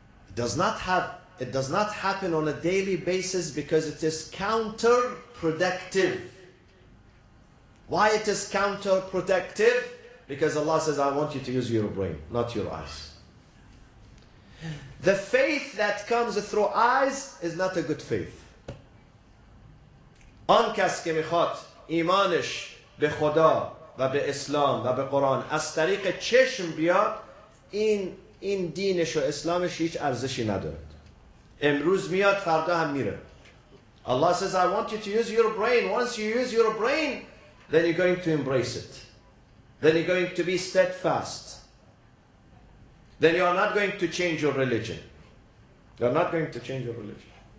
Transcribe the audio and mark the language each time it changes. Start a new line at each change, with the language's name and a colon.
English: It does not happen on a daily basis because it is counterproductive. Why it is counterproductive? Because Allah says, I want you to use your brain, not your eyes. The faith that comes through eyes is not a good faith.
Persian: آنکس که میخواد ایمانش به خدا و به اسلام و به قرآن از طریق چشم بیاد، این دینش و اسلامش هیچ ارزشی ندارد. امروز میاد، فردا هم میره.
English: Allah says, I want you to use your brain. Once you use your brain, then you're going to embrace it. Then you're going to be steadfast. Then you are not going to change your religion. You're not going to change your religion.